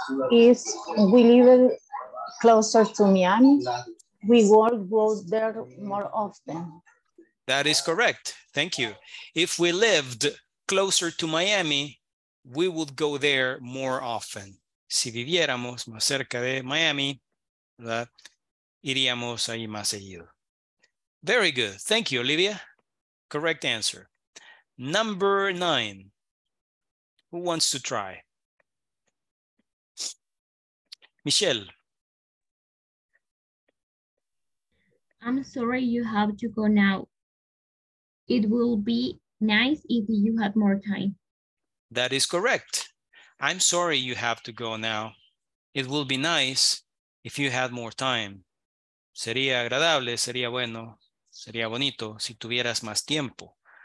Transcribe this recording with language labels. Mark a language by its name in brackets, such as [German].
[English] If we live closer to Miami, we will go there more often. That is correct, thank you. If we lived closer to Miami, we would go there more often. [Spanish] Si viviéramos más cerca de Miami, iríamos ahí más seguido. [English] Very good, thank you, Olivia. Correct answer. Number nine, who wants to try? Michelle. I'm sorry you have to go now. It will be nice if you have more time. That is correct. I'm sorry you have to go now. It will be nice if you had more time. [Spanish] Sería agradable, sería bueno, sería bonito si tuvieras más tiempo.